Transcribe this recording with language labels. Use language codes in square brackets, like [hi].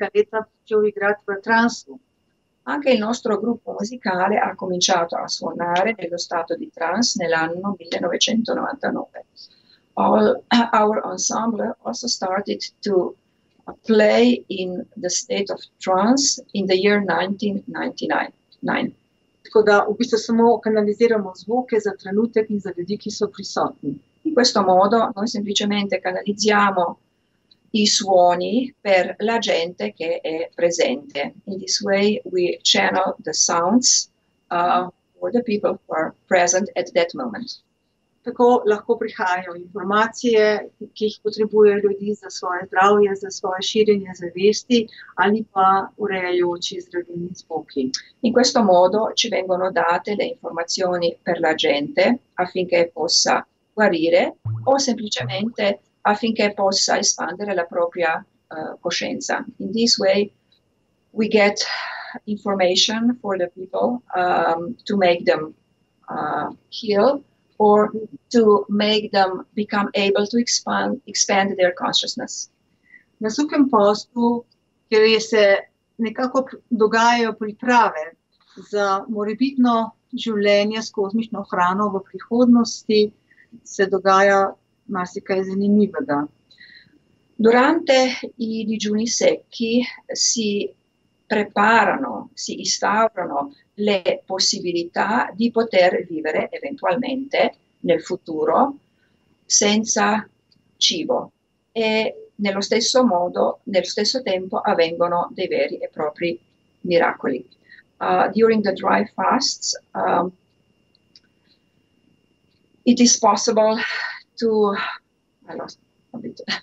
[sl] leta počel igrati v transu. [it] Anche il nostro gruppo musicale ha cominciato a suonare nello stato di trance nell'anno 1999. [en] our ensemble also started to play in the state of trance in the year 1999. [sl] Tako da v bistvu samo kanaliziramo zvoke za trenutek in za ljudi, ki so prisotni. [it] In questo modo noi semplicemente canalizziamo i suoni per la gente che è presente. [en] In this way we channel the sounds for the people who are present at that moment. [sl] Tako lahko prihajajo informacije, ki jih potrebujejo ljudi za svoje zdravje, za svoje širjenje zavesti ali pa urejajoči zdravilni zvoki. [it] In questo modo ci vengono date le informazioni per la gente affinché possa guarire o semplicemente affinché possa espandere la propria coscienza. [en] In this way we get information for the people to make them heal or to make them become able to expand their consciousness. [sl] Na suhem postu, kjer se nekako dogajajo priprave za morebitno življenje s kozmično hrano v prihodnosti, se dogaja marsikaj zanimivega. [it] Durante i digiuni secchi si preparano, si instaurano le possibilità di poter vivere eventualmente nel futuro senza cibo e nello stesso modo, nello stesso tempo avvengono dei veri e propri miracoli. [en] During the dry fasts, it is possible to... I lost a bit...